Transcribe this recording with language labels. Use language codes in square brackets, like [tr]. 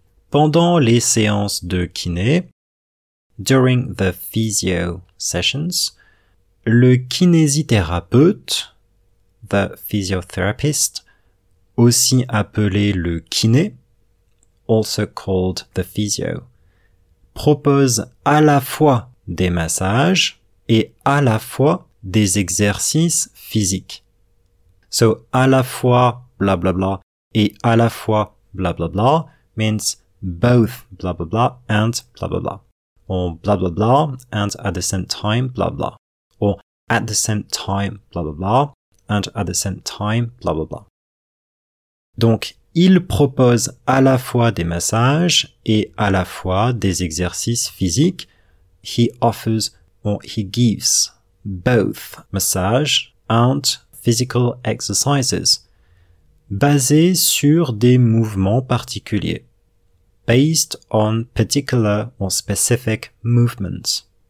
[fr] Pendant les séances de kiné, [en] during the physio sessions, [fr] le kinésithérapeute, [en] the physiotherapist, [fr] aussi appelé le kiné, [en] also called the physio, [fr] propose à la fois des massages et à la fois des exercices physiques. [en] So, [fr] à la fois blah blah [en] blah et à la fois blah blah blah means both blah blah blah and blah blah blah. Or blah blah blah and at the same time blah blah. Or at the same time blah blah blah and at the same time blah blah blah. [fr] Donc, il propose à la fois des massages et à la fois des exercices physiques. [en] He offers or he gives both massage and physical exercises [fr] basés sur des mouvements particuliers, [en] based on particular or specific movements.